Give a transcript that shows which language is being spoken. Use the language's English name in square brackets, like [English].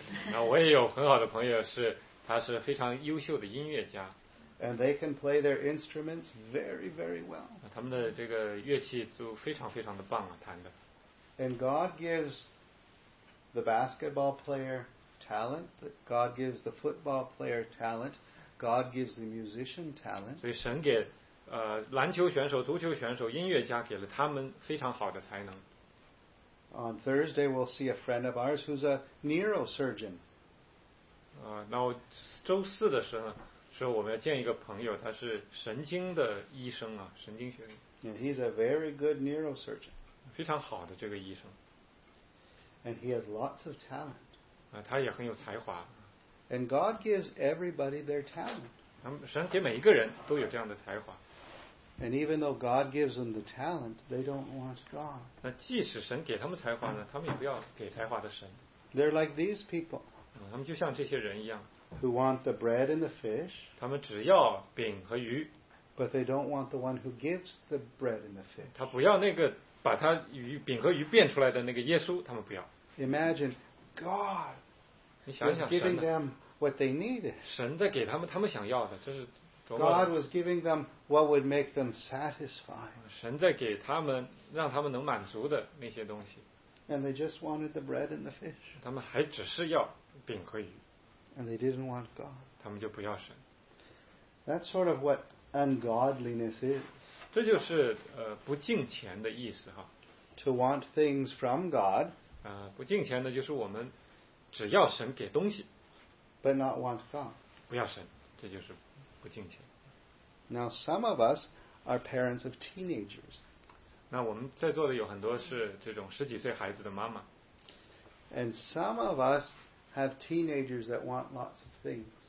[Chinese] 那我也有很好的朋友是，他是非常优秀的音乐家。 [English] And they can play their instruments very, very well. [Chinese] 他们的这个乐器都非常非常的棒啊，弹的。 [English] And God gives the basketball player talent. God gives the football player talent. God gives the musician talent. [Chinese] 所以神给篮球选手、足球选手、音乐家给了他们非常好的才能。 [English] On Thursday, we'll see a friend of ours who's a neurosurgeon. [Chinese] 那我周四的时候呢？说我们要见一个朋友，他是神经的医生啊，神经学院。 [English] And he's a very good neurosurgeon. [Chinese] 非常好的这个医生。 [English] And he has lots of talent. [Chinese] 他也很有才华。 [English] And God gives everybody their talent. [Chinese] 神给每一个人都有这样的才华。 [English] And even though God gives them the talent, they don't want God. [Chinese] 那即使神给他们才华呢，他们也不要给才华的神。 [English] They're like these people. [Chinese] 他们就像这些人一样。 [English] Who want the bread and the fish? [Chinese] 他们只要饼和鱼。 [English] But they don't want the one who gives the bread and the fish. [Chinese] 他不要那个把他饼和鱼变出来的那个耶稣，他们不要。 [English] Imagine God [Chinese] 想想 [English] giving them what they needed. [Chinese] 神在给他们他们想要的，这是多么。 [English] God was giving them what would make them satisfied. [Chinese] 神在给他们让他们能满足的那些东西。 [English] And they just wanted the bread and the fish. [Chinese] 他们还只是要饼和鱼。 [English] And they didn't want God. [Chinese] 他们就不要神。 [English] That's sort of what ungodliness is. [Chinese] 这就是不敬虔的意思哈。 [English] To want things from God. [Chinese] 不敬虔的就是我们只要神给东西。 [English] But not want God. [Chinese] 不要神，这就是不敬虔。 [English] Now some of us are parents of teenagers. [Chinese] 那我们在座的有很多是这种十几岁孩子的妈妈。 [English] And some of us have teenagers that want lots of things.